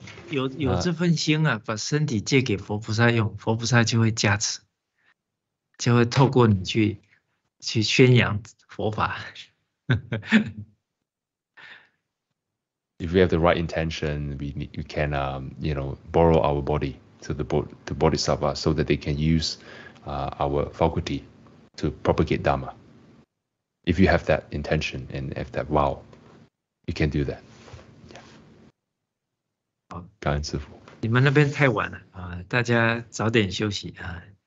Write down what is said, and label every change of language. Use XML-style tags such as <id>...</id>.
<zh>有这份心啊，把身体借给佛菩萨用，佛菩萨就会加持，就会透过你去宣扬佛法。</zh> <en>if we have the right intention, we can you know, borrow our body to the boat, to Bodhisattva, so that they can use our faculty to propagate Dharma. If you have that intention and if that vow, you can do that. Yeah.</en> <zh>好，感恩师父。你们那边太晚了啊，大家早点休息啊。</zh>